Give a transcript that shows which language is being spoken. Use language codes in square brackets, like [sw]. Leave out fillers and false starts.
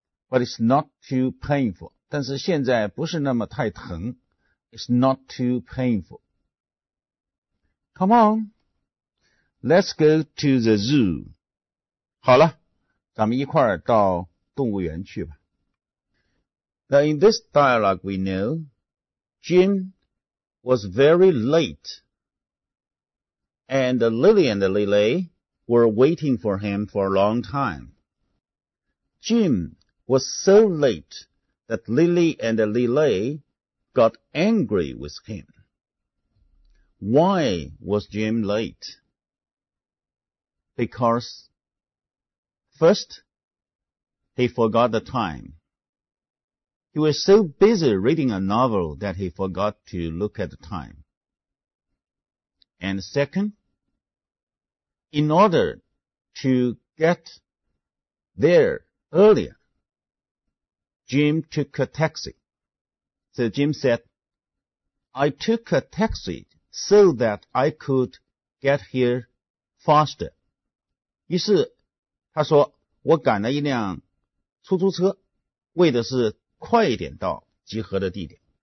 [en] But it's not too painful. [zh] 但是现在不是那么太疼。 [en] It's not too painful. Come on. Let's go to the zoo. [zh] 好了。咱们一块儿到动物园去吧。 [en] Now in this dialogue we know, Jim was very late, and Lily and Lily were waiting for him for a long time. Jim was so late that Lily and Lily got angry with him. Why was Jim late? Because... First, he forgot the time. He was so busy reading a novel that he forgot to look at the time. And second, in order to get there earlier, Jim took a taxi. So Jim said, I took a taxi so that I could get here faster. [zh] 于是他说我赶了一辆出租车，为的是快一点到集合的地点。